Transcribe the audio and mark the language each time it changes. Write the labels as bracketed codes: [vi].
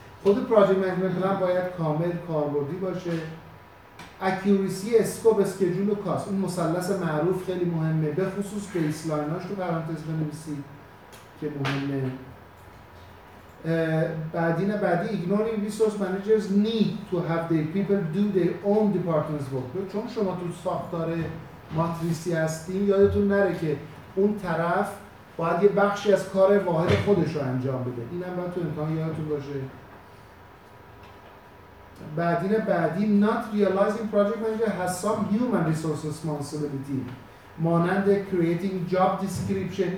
[fa] خود project management plan باید کامل کاربردی باشه. accuracy scope schedule و cost اون مثلث معروف خیلی مهمه، به خصوص baseline هاش تو پرانتز بنویسید که مهمه. بعدی نه بعدی [en] ignoring resource managers need to have their people do their own departments work. [fa] چون شما تو ساختار ماتریسی هستین، یادتون نره که اون طرف باید یه بخشی از کار واحد خودش رو انجام بده. اینم باید تو امتحان یادتون باشه. بعدی نه بعدی [en] not realizing project manager has some human resource responsibility [fa] مانند [en] creating job description.